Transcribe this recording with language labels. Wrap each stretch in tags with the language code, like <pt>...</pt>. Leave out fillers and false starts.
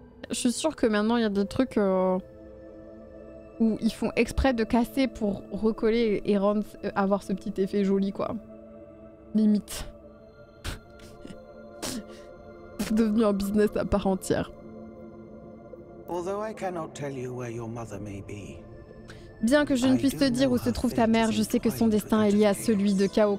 <fr>Je suis sûre que maintenant, il y a des trucs où ils font exprès de casser pour recoller et rendre, avoir ce petit effet joli, quoi. Limite. C'est devenu un business à part entière.</fr> <en>Although I cannot tell you where your mother may be.</en> <fr>Bien que je ne puisse te dire où se trouve ta mère, je sais que son destin est lié à celui de Chaos.</fr>